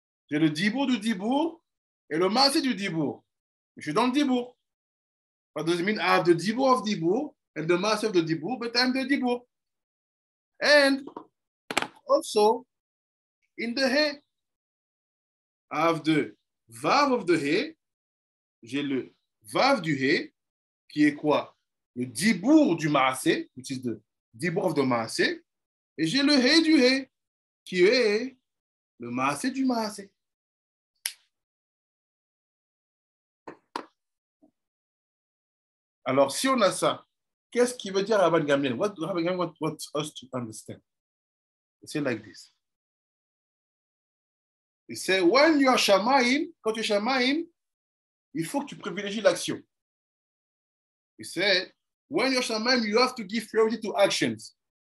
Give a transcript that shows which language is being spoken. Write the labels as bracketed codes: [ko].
[fr] J'ai le Dibour du Dibour, et le Masé du Dibour. Je suis dans le Dibour. [en] What does it mean? I have the Dibour of Dibour, and the Masé of the Dibour, but I'm the Dibour. And also, in the He, I have the Vav of the He, [fr] j'ai le Vav du He, qui est quoi? Le Dibour du Maasé, [en] which is the Dibour of the Maasé, [fr] et j'ai le He du He, qui est le Maasé du Maasé. Alors, si on a ça, qu'est-ce qui veut dire Rabban Gamliel? [en] What do Rabban Gamliel want us to understand? It's like this. He said, when you are Shamaim, [fr] quand tu es Shamaim, il faut que tu privilégies l'action. [en] He said, when you are Shamaim, you have to give priority to actions.